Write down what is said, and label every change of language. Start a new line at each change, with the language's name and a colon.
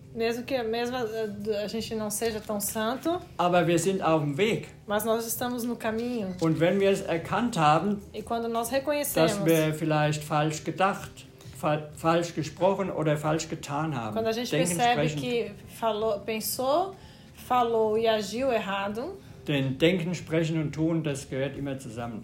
Portuguese: Mesmo a gente não seja tão santo.
German: Aber wir sind auf dem Weg.
Portuguese: Mas nós estamos no caminho.
German: Und wenn wir es erkannt haben,
Portuguese: e quando nós reconhecemos,
German: dass wir vielleicht falsch gedacht, falsch gesprochen oder falsch getan haben,
Portuguese: quando a gente percebe que pensou, falou e agiu errado.
German: Denn denken, sprechen und tun, das gehört immer zusammen.